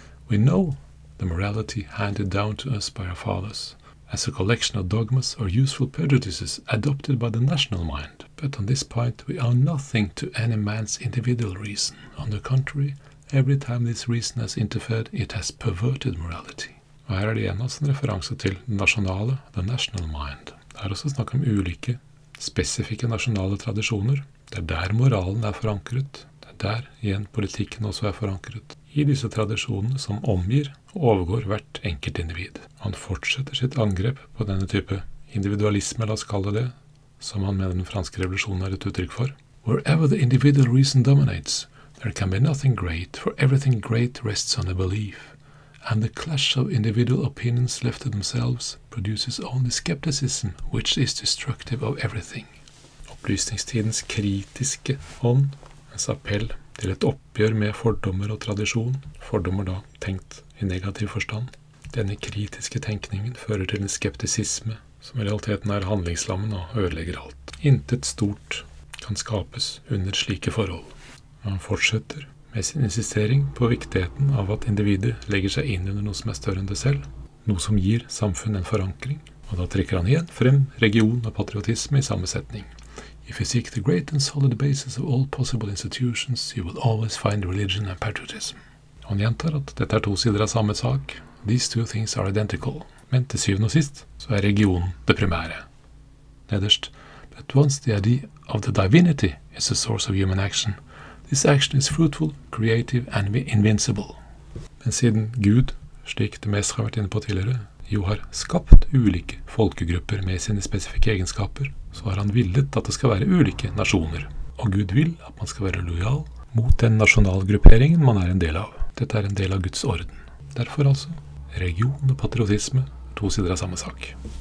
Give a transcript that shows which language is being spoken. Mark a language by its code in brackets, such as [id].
[en] We know the morality handed down to us by our fathers as a collection of dogmas or useful prejudices adopted by the national mind. But on this point, we owe nothing to any man's individual reason. On the contrary, every time this reason has interfered, it has perverted morality. [no] Og her er det igjen også en referanse til nasjonale, [en] the national mind. [no] Det er også snakk om ulike, spesifikke nasjonale tradisjoner. Det er der moralen er forankret. Det er der, igjen, politikken også er forankret. I disse tradisjonene som omgir og overgår hvert enkelt individ. Han fortsetter sitt angrep på denne type individualisme, la oss kalle det, som han mener den franske revolusjonen er et uttrykk for. [en] Wherever the individual reason dominates, there can be nothing great, for everything great rests on a belief. And the clash of individual opinions left to themselves produces only skepticism, which is destructive of everything. [no] Opplysningstidens kritiske ånd, hans appell til et oppgjør med fordommer og tradisjon, fordommer da tenkt i negativ forstand. Denne kritiske tenkningen fører til en skeptisisme, som i realiteten er handlingslammen og ødelegger alt. Intet stort kan skapes under slike forhold. Han fortsetter med sin insistering på viktigheten av at individet legger seg inn under noe som er større enn det selv, noe som gir samfunnet en forankring, og da trekker han igjen frem region og patriotisme i samme setning. [en] If you seek the great and solid basis of all possible institutions, you will always find religion and patriotism. [no] Han gjentar at dette er to sider av samme sak. [en] These two things are identical. [no] Men til syvende og sist, så er religionen det primære. Nederst, [en] but once the idea of the divinity is the source of human action, this action is fruitful, creative and invincible. [no] Men siden Gud, slik det mest har vært inne på tidligere, jo har skapt ulike folkegrupper med sine spesifikke egenskaper, så har han villet at det skal være ulike nasjoner. Og Gud vil at man skal være lojal mot den nasjonalgrupperingen man er en del av. Dette er en del av Guds orden. Derfor altså, religion og patriotisme, to sider av samme sak.